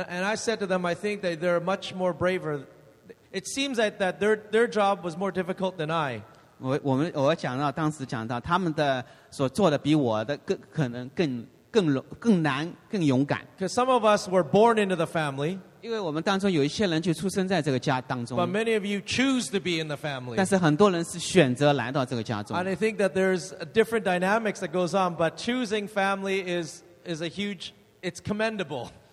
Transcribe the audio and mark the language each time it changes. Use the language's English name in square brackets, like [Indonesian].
[English] I said to them, I think that they're much more braver. It seems like that their job was more difficult than I. [Chinese] 我讲到当时讲到他们的所做的比我的更可能更 [English] Because some of us were born into the family. But many of you choose to be in the family. And I think that there's a different dynamics that goes on, but choosing family is a huge, it's commendable.